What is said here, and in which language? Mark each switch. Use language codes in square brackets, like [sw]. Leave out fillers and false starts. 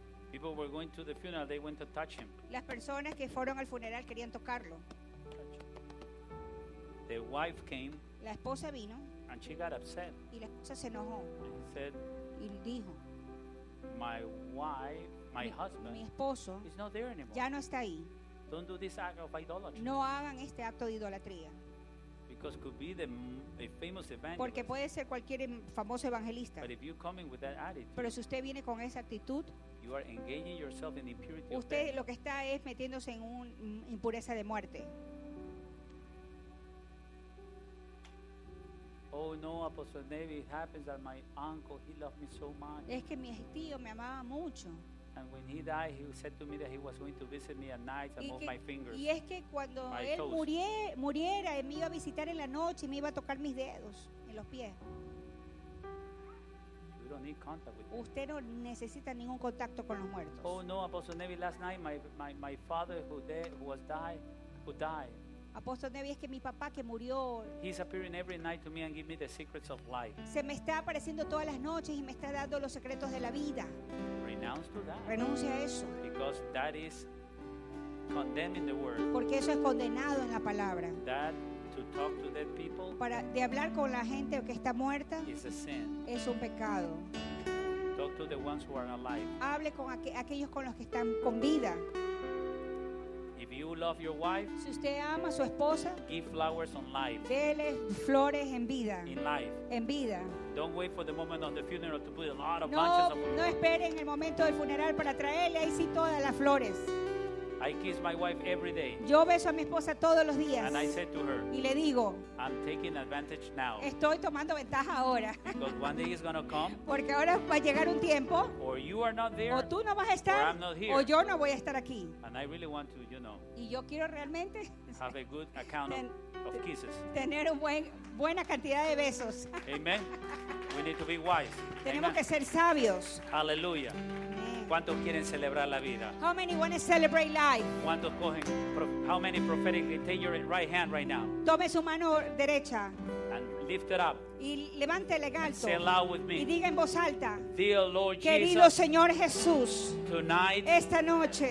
[en] People were going to the funeral, they went to touch him. [es] Las personas que fueron al funeral querían tocarlo. [en] The wife came. [es] La esposa vino. [en] And she got upset. [es] Y la esposa se enojó. [en] And said, [es] y dijo, [en] my wife, my husband, [es] mi esposo, [en] is not there anymore. [es] Ya no está ahí. [en] Don't do this act of idolatry. [es] No hagan este acto de idolatría. [en] Because could be a famous evangelist. [es] Porque puede ser cualquier famoso evangelista. [en] But if you come in with that attitude, [es] pero si usted viene con esa actitud, [en] you are engaging yourself in impurity [es] usted [en] of death. [es] Lo que está es metiéndose en una impureza de muerte. [en] Oh no, Apostle Navy, it happens that my uncle, he loved me so much. [es] Es que mi tío me amaba mucho. [en] And when he died, he said to me that he was going to visit me at night and move my fingers. [es] Y es que cuando él muriera, me iba a visitar en la noche y me iba a tocar mis dedos en los pies. [en] You don't need contact with [es] usted them. No necesita ningún contacto con los muertos. [en] Oh no, Apostle Neville, last night my father who was died. who died. [es] Apóstol Nevi, es que mi papá que murió. [en] He's appearing every night to me and give me the secrets of life. [es] Se me está apareciendo todas las noches y me está dando los secretos de la vida. [en] Renounce to that. [es] Renuncia a eso. [en] Because that is condemning the word. [es] Porque eso es condenado en la palabra. [en] That to talk to dead people. [es] Para de hablar con la gente que está muerta. [en] Is a sin. [es] Es un pecado. [en] Talk to the ones who are alive. [es] Hable con aquellos con los que están con vida. [en] If you love your wife, [es] si usted ama a su esposa, [en] give flowers on life. [es] Dele flores en vida. [en] In life. [es] En vida. [en] Don't wait for the moment of the funeral to put a lot of [es] no, [en] bunches of flowers. [es] No esperen el momento del funeral para traerle ahí sí todas las flores. [en] I kiss my wife every day. [es] Yo beso a mi esposa todos los días. [en] And I said to her, [es] y le digo, [en] I'm taking advantage now. [es] Estoy tomando ventaja ahora. [en] Because one day is gonna come. [es] Porque ahora va a llegar un tiempo. [en] Or you are not there, [es] o tú no vas a estar. [en] Or I'm not here. [es] O yo no voy a estar aquí. [en] And I really want to, you know, [es] y yo quiero realmente [en] have a good account of kisses. [es] Tener una buena cantidad de besos. [en] Amen. We need to be wise. [es] Tenemos que ser sabios. Aleluya. ¿Cuántos quieren celebrar la vida? [en] How many want to celebrate life? [es] ¿Cuántos cogen? [en] How many prophetically take your right hand right now? [es] Tome su mano derecha. [en] And lift it up. [es] Y levántele alto. [en] Say aloud with me. [es] Y diga en voz alta. [en] Dear Lord Jesus. [es] Querido Señor Jesús. [en] Tonight. [es] Esta noche.